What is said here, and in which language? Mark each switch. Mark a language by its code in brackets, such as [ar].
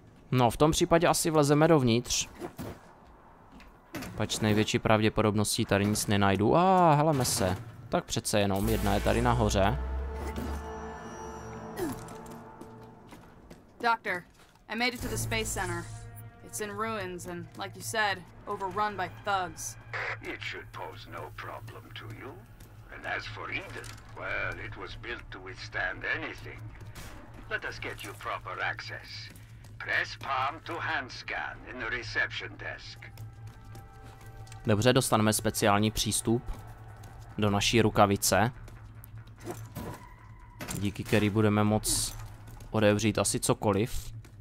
[cs] No, v tom případě asi vlezeme dovnitř. Pač s největší pravděpodobností tady nic nenajdu. A hele mese. Tak přece jenom, jedna je tady nahoře. [en] Doctor, I made it to the space center. It's in ruins and, like you said, overrun by thugs. It should pose no problem to you. And as for Eden, well, it was built to withstand anything. Let us get you proper access. Press palm to hand scan in the reception desk. [cs] Dobře, dostaneme speciální přístup do naší rukavice, díky který budeme moct odevřít asi cokoliv.